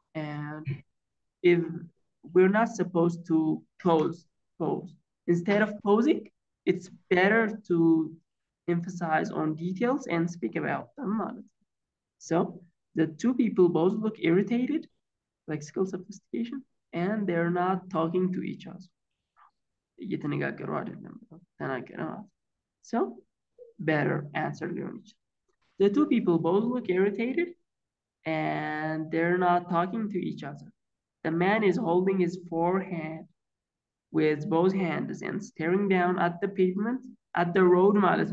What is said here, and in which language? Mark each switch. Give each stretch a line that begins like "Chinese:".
English: And if we're not supposed to pause. Instead of pausing, it's better to emphasize on details and speak about them. So the two people both look irritated, lexical sophistication, and they're not talking to each other.
Amharic: እየተነጋገሩ አይደለም ተናገረ ማለት ነው.
English: So better answer
Amharic: ሊሆን ይችላል.
English: The two people both look irritated and they're not talking to each other. The man is holding his forehead with both hands and staring down at the pavement, at the road miles.